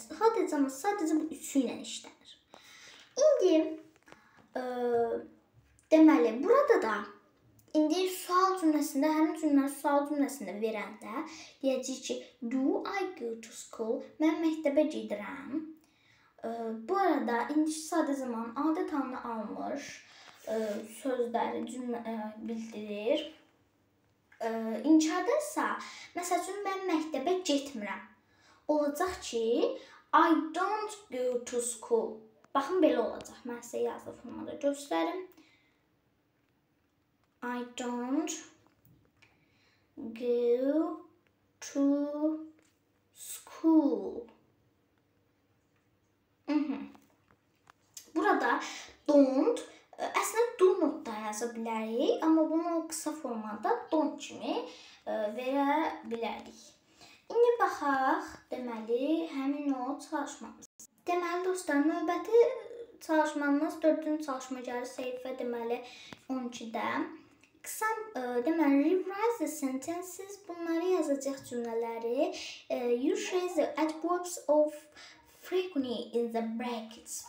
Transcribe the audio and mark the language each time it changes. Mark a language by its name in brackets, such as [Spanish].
[Azerbaijani] Sadəcə, amma sadəcə bu üçü ilə işlənir. İndi deməli, burada da indi sual cümləsində, həmin cümləni sual cümləsində verəndə deyəcək ki, [English] do I go to school? [Azerbaijani] Mən məktəbə gedirəm. Bu arada indi sadə zaman adət halını almış sözləri cümlə bildirir. İnkarda isə məsəl üçün mən məktəbə getmirəm. Olacaq ki [English] I don't go to school. [Azerbaijani] Baxın belə olacaq. Mən sizə yazılı formada göstərim. [English] I don't go to school. [Azerbaijani] Burada don't əslində do notda yaza bilərik, amma bunu qısa formada don't kimi verə bilərik. İndi baxaq, deməli, həmin o çalışmamız. Deməli, dostlar, növbəti çalışmamız 4-cü çalışma gəlir səhifə, deməli, 12-də. Qısa, deməli, [English] rewrite the sentences, [Azerbaijani] bunları yazacaq cümlələri. [English] You change the adverbs of frequently in the brackets.